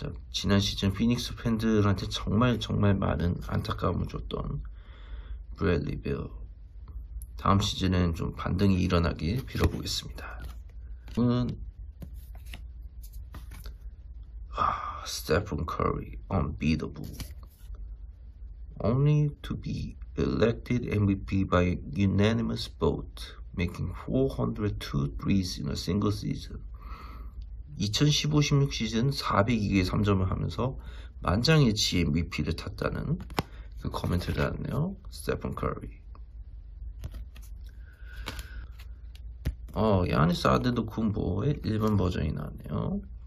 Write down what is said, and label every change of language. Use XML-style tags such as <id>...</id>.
<ko>지난 시즌 피닉스 팬들한테 정말 정말 많은 안타까움을 줬던 브래들리 빌. 다음 시즌엔 좀 반등이 일어나길 빌어보겠습니다. 스테픈 커리 unbeatable.</ko> <en>Only to be elected MVP by unanimous vote, making 402 threes in a single season.</en> <ko>2015-16 시즌 402개의 3점을 하면서 만장일치 MVP를 탔다는 그 코멘트를 달았네요. 스테픈 커리. 야니스 아데도쿤보의 1번 버전이 나왔네요.</ko>